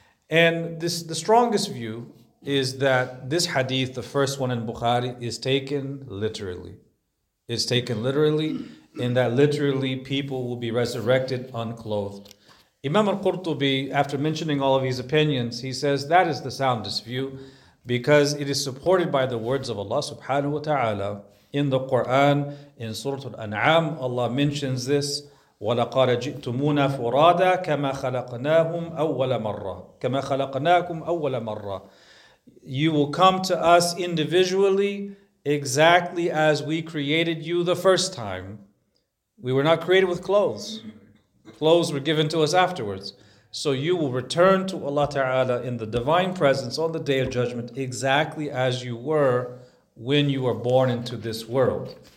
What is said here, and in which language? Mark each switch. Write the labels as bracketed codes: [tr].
[en] And this, the strongest view is that this hadith, the first one in Bukhari, is taken literally. It's taken literally, in that literally people will be resurrected unclothed. Imam al-Qurtubi, after mentioning all of his opinions, he says that is the soundest view, because it is supported by the words of Allah subhanahu wa ta'ala. In the Quran, in Surah Al-An'am, Allah mentions this, [ar] وَلَقَدْ جِئْتُمُونَا فُرَادَى كَمَا خَلَقْنَاهُمْ أَوَّلَ مَرَّةٍ كَمَا خَلَقْنَاكُمْ أَوَّلَ مَرَّةٍ. [en] You will come to us individually exactly as we created you the first time. We were not created with clothes. Clothes were given to us afterwards. So you will return to Allah Ta'ala in the Divine Presence on the Day of Judgment exactly as you were when you were born into this world.